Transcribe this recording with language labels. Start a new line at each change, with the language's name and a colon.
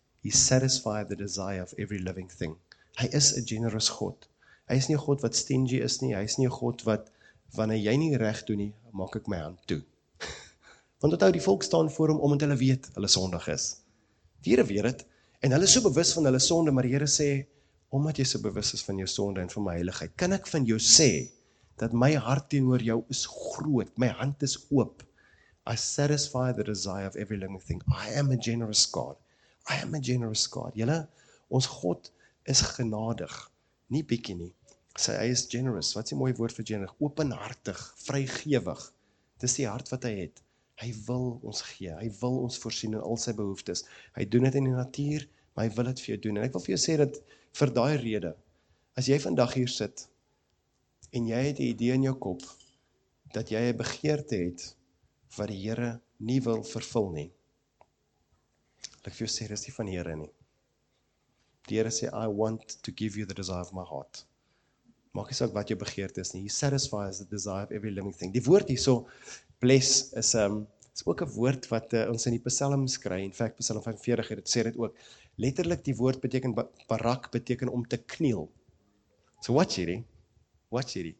English: He satisfies the desire of every living thing.
Afrikaans: Hy is 'n generous God. Hy is nie 'n God wat stingy is nie. Hy is nie 'n God wat, wanneer jy nie reg doen nie, maak ek my hand toe. Want onthou, die volk staan voor hom omdat hulle weet hulle sondig is. Die Here weet dit en hulle is so bewus van hulle sonde, maar die Here sê, omdat jy so bewus is van jou sonde en van my heiligheid, kan ek van jou sê, dat my hart teenoor jou is groot, my hand is oop.
English: I satisfy the desire of every living thing. I am a generous God. I am a generous God.
Afrikaans: Julle, ons God is genadig, nie bietjie nie. Sy hy is generous. Wat 'n mooi woord vir generig, openhartig, vrygewig. Dis die hart wat hy het. Hy wil ons gee. Hy wil ons voorsien in al sy behoeftes. Hy doen dit in die natuur, maar hy wil dit vir jou doen. En ek wil vir jou sê dat vir daai rede, as jy vandag hier sit en jy het 'n idee in jou kop dat jy 'n begeerte het wat die Here nie wil vervul nie. Ek wil vir jou sê dis nie van die Here nie. Die Here sê
English: I want to give you the desire of my heart.
Afrikaans: Maak nie saak wat jou begeerte is nie.
English: He satisfies the desire of every living thing.
Afrikaans: Die woord hierso bless is is ook 'n woord wat ons in die Psalms kry. In fact, Psalm 45 het dit sê dit ook. Letterlik die woord beteken barak beteken om te kniel. So watch hierdie. Watch hierdie.